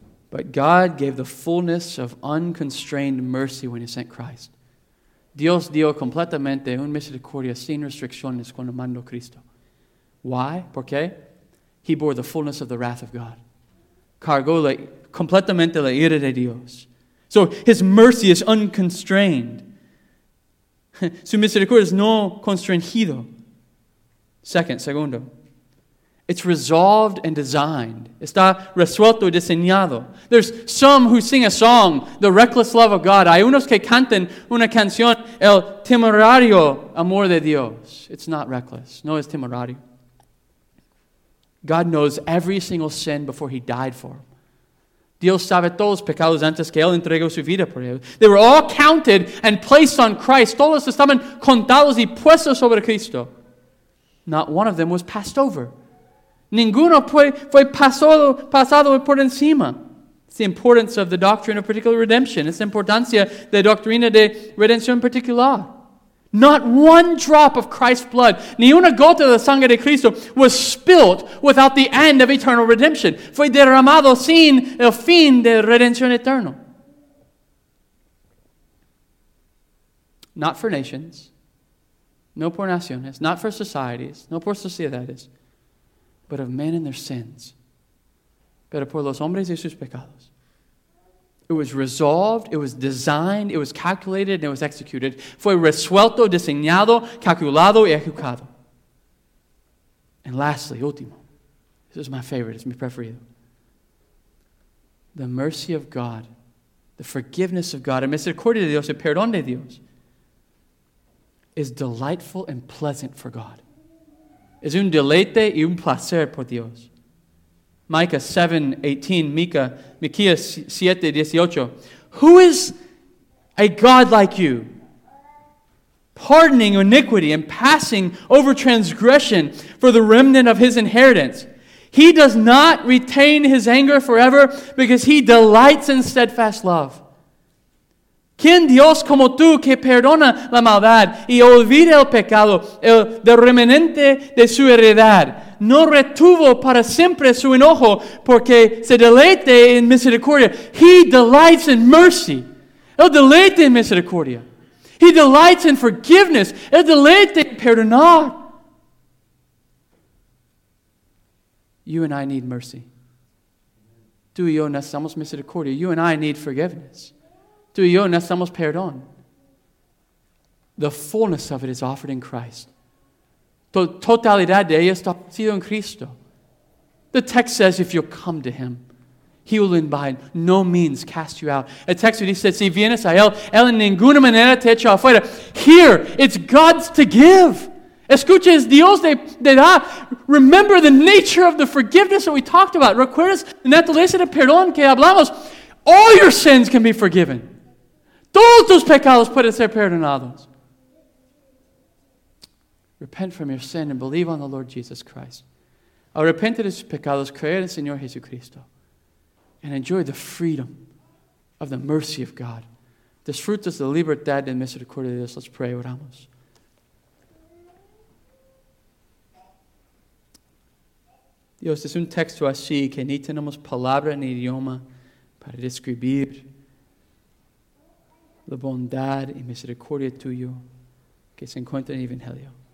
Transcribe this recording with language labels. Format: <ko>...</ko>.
<en>But God gave the fullness of unconstrained mercy when he sent Christ.</en> <es>Dios dio completamente un misericordia sin restricciones cuando mandó Cristo.</es> <en>Why?</en> <es>¿Por qué?</es> <en>He bore the fullness of the wrath of God.</en> <es>Cargó completamente la ira de Dios.</es> <en>So his mercy is unconstrained.</en> <es>Su misericordia es no constrangido. Segundo.</es> <en>It's resolved and designed.</en> <es>Está resuelto y diseñado.</es> <en>There's some who sing a song, The Reckless Love of God.</en> <es>Hay unos que cantan una canción, El Temerario Amor de Dios.</es> <en>It's not reckless.</en> <es>No es temerario.</es> <en>God knows every single sin before he died for them.</en> <es>Dios sabe todos los pecados antes que Él entregó su vida por ellos.</es> <en>They were all counted and placed on Christ.</en> <es>Todos estaban contados y puestos sobre Cristo.</es> <en>Not one of them was passed over.</en> <es>Ninguno fue pasado por encima.</es> <en>It's the importance of the doctrine of particular redemption.</en> <es>Es la importancia de la doctrina de redención particular.</es> <en>Not one drop of Christ's blood,</en> <es>ni una gota de sangre de Cristo,</es> <en>was spilt without the end of eternal redemption.</en> <es>Fue derramado sin el fin de redención eterna.</es> <en>Not for nations,</en> <es>no por naciones,</es> <en>not for societies,</en> <es>no por sociedades,</es> <en>but of men and their sins.</en> <es>Pero por los hombres y sus pecados.</es> <en>It was resolved, it was designed, it was calculated, and it was executed.</en> <es>Fue resuelto, diseñado, calculado, y ejecutado.</es> <en>And lastly,</en> <es>último.</es> <en>This is my favorite, it's</en> <es>mi preferido.</es> <en>The mercy of God, the forgiveness of God, and</en> <es>misericordia de Dios, el perdón de Dios,</es> <en>is delightful and pleasant for God.</en> <es>Es un deleite y un placer por Dios.</es> <en>Micah 7:18, Micah 7:18. Who is a God like you, pardoning iniquity and passing over transgression for the remnant of his inheritance? He does not retain his anger forever because he delights in steadfast love.</en> <es>¿Quién Dios como tú que perdona la maldad y olvida el pecado, el remanente de su heredad? No retuvo para siempre su enojo porque se deleite en misericordia.</es> <en>He delights in mercy.</en> <es>El deleite en misericordia.</es> <en>He delights in forgiveness.</en> <es>El deleite en perdonar.</es> <en>You and I need mercy.</en> <es>Tú y yo necesitamos misericordia.</es> <en>You and I need forgiveness.</en> <es>Tú y yo necesitamos perdón.</es> <en>The fullness of it is offered in Christ.</en> <es>Totalidad de ella está sido en Cristo.</es> <en>The text says if you come to Him, He will in by no means cast you out.</en> <es>El texto dice, si vienes a Él, Él en ninguna manera te echa afuera.</es> <en>Here, it's God's to give.</en> <es>Escucha, es Dios de dar.</es> <en>Remember the nature of the forgiveness that we talked about.</en> <es>Recuerdas la naturaleza de perdón que hablamos.</es> <en>All your sins can be forgiven.</en> <es>Todos tus pecados pueden ser perdonados.</es> <en>Repent from your sin and believe on the Lord Jesus Christ.</en> <es>Arrepente de sus pecados, creer en el Señor Jesucristo.</es> <en>And enjoy the freedom of the mercy of God.</en> <es>Disfrutas de libertad y misericordia de Dios.</es> <en>Let's pray,</en> <es>oramos. Dios, es un texto así que ni tenemos palabra ni idioma para describir la bondad y misericordia tuyo que se encuentra en el Evangelio.</es>